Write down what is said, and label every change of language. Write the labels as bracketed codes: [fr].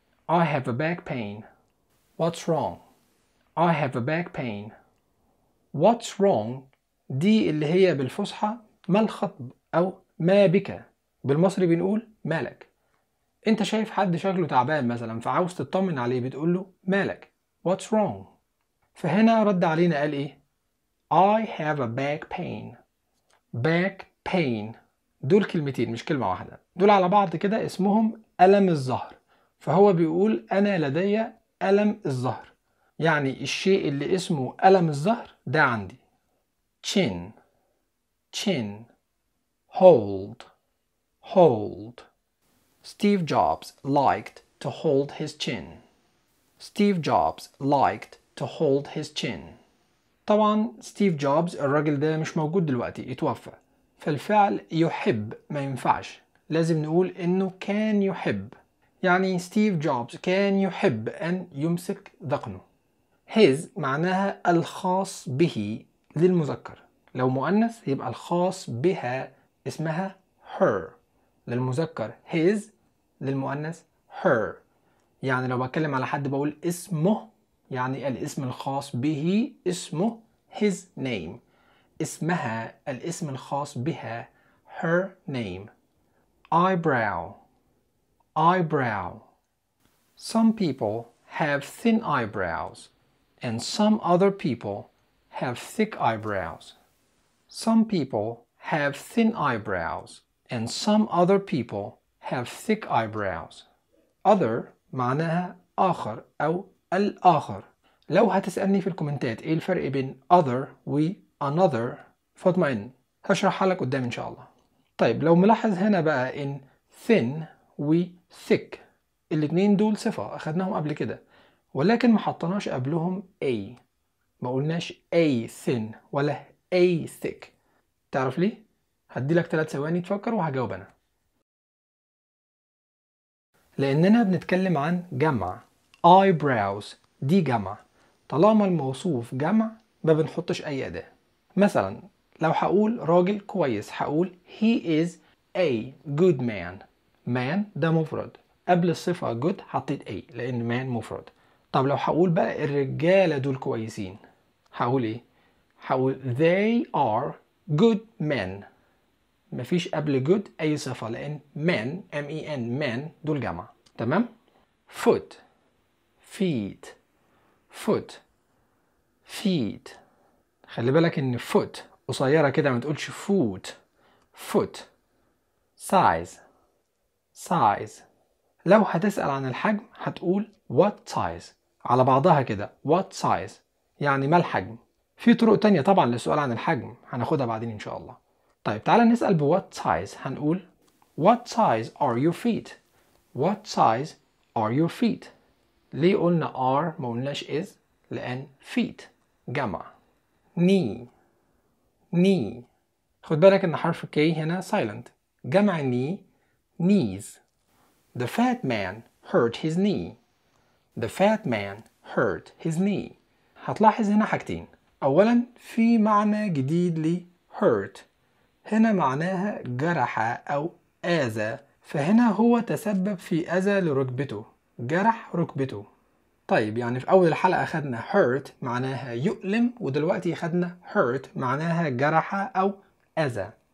[en] I have a back pain. What's wrong? I have a back pain. What's wrong؟ [ar] دي اللي هي بالفصحى ما الخطب أو ما بك، بالمصري بنقول مالك. أنت شايف حد شكله تعبان مثلا فعاوز تطمن عليه بتقول له مالك. [en] What's wrong؟ [ar] فهنا رد علينا قال إيه؟ [en] I have a back pain. Back pain. [ar] دول كلمتين مش كلمة واحدة، دول على بعض كده اسمهم ألم الظهر. فهو بيقول أنا لدي ألم الظهر، يعني الشيء اللي اسمه ألم الظهر ده عندي. [en] chin chin hold hold. Steve Jobs liked to hold his chin. Steve Jobs liked to hold his chin. [ar] طبعا ستيف جوبز الراجل ده مش موجود دلوقتي، اتوفى. فالفعل يحب ما ينفعش، لازم نقول انه كان يحب، يعني ستيف جوبز كان يحب ان يمسك ذقنه. his معناها الخاص به للمذكر، لو مؤنث يبقى الخاص بها اسمها her، للمذكر his للمؤنث her. يعني لو بتكلم على حد بقول اسمه، يعني الاسم الخاص به اسمه [en] his name، [ar] اسمها الاسم الخاص بها [en] her name. eyebrow eyebrow. Some people have thin eyebrows and some other people have thick eyebrows. Some people have thin eyebrows and some other people have thick eyebrows. [ar] other معناها آخر أو الآخر. لو هتسألني في الكومنتات ايه الفرق بين other و another، فاطمئن هشرح لك قدام ان شاء الله. طيب لو ملاحظ هنا بقى ان thin [en] و thick. [ar] الاتنين دول صفة أخدناهم قبل كده، ولكن محطناش قبلهم a، ما قلناش [en] a thin [ar] ولا [en] a thick. [ar] تعرف ليه؟ هديلك 3 ثواني تفكر وهجاوب أنا. لأننا بنتكلم عن جمع eyebrows، دي جمع. طالما الموصوف جمع ما بنحطش أي أداة. مثلا لو هقول راجل كويس هقول [en] he is a good man. [ar] man ده مفرد، قبل الصفة good حطيت a لأن man مفرد. طب لو هقول بقى الرجالة دول كويسين هقول ايه؟ هقول [en] they are good men. [ar] مفيش قبل good أي صفة لأن men M-E-N men دول جمع. [en] تمام؟ foot feet foot feet. [ar] خلي بالك ان foot قصيرة كده ما تقولش [en] foot foot. size size. [ar] لو هتسأل عن الحجم هتقول [en] what size، [ar] على بعضها كده what size يعني ما الحجم. في طرق تانية طبعا للسؤال عن الحجم هناخدها بعدين ان شاء الله. طيب تعالى نسأل ب what size، هنقول [en] what size are your feet. [ar] what size are your feet. ليه قلنا are ما قلناش is؟ لأن feet جمع. [en] knee knee. [ar] خد بالك ان حرف K هنا silent، جمع knee knees. [en] the fat man hurt his knee. the fat man hurt his knee. [ar] هتلاحظ هنا حاجتين. اولا في معنى جديد ل hurt، هنا معناها جرح او اذى، فهنا هو تسبب في اذى لركبته، جرح ركبته. طيب يعني في اول الحلقه خدنا hurt معناها يؤلم، ودلوقتي خدنا hurt معناها جرح او اذى.